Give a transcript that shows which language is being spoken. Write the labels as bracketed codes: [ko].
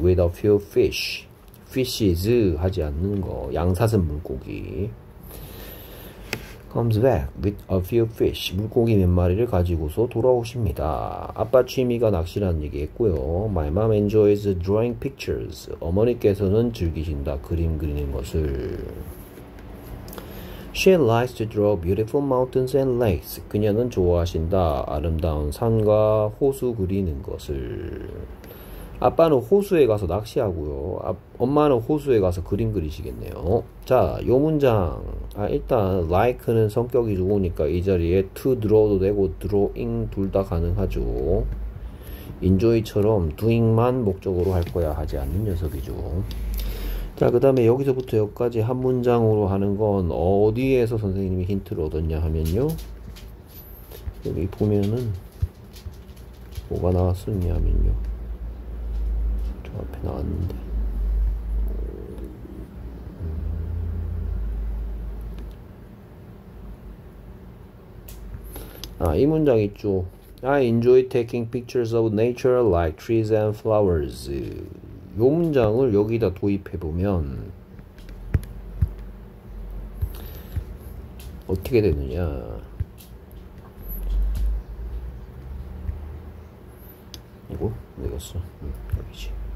[en] With a few fish. [ko] Fishes 하지 않는 거 양사슴 물고기 [en] comes back with a few fish [ko] 물고기 몇 마리를 가지고서 돌아오십니다. 아빠 취미가 낚시라는 얘기 했고요. [en] My mom enjoys drawing pictures. [ko] 어머니께서는 즐기신다 그림 그리는 것을. [en] She likes to draw beautiful mountains and lakes. [ko] 그녀는 좋아하신다 아름다운 산과 호수 그리는 것을. 아빠는 호수에 가서 낚시하고요. 엄마는 호수에 가서 그림 그리시겠네요. 자, 요 문장. 일단 like는 성격이 좋으니까 이 자리에 to draw도 되고 drawing 둘다 가능하죠. enjoy처럼 doing만 목적으로 할 거야 하지 않는 녀석이죠. 자, 그다음에 여기서부터 여기까지 한 문장으로 하는 건 어디에서 선생님이 힌트를 얻었냐 하면요. 여기 보면은 뭐가 나왔었냐 하면요. 앞에 나왔는데 아, 이 문장 있죠. [en] I enjoy taking pictures of nature like trees and flowers. [ko] 이 문장을 여기다 도입해 보면 어떻게 되느냐? 이거 어디갔어? 여기지.